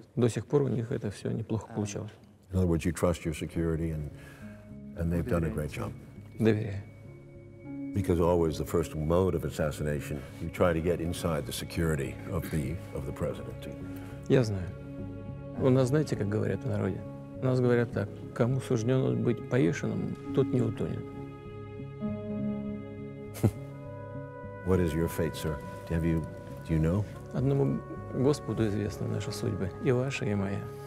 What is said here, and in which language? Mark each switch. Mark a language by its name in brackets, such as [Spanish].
[Russian] До сих пор у них это все неплохо получалось. [English] In other words, you trust your security and they've done a great job. [Russian] Доверяю. [English] Because always the first mode of assassination, you try to get inside the security of the president. [Russian] Я знаю. У нас, знаете, как говорят в народе? У нас говорят так, кому суждено быть повешенным, тот не утонет. [English] What is your fate, sir? Do you know? [Russian] Одному Господу известна наша судьба, и ваша, и моя.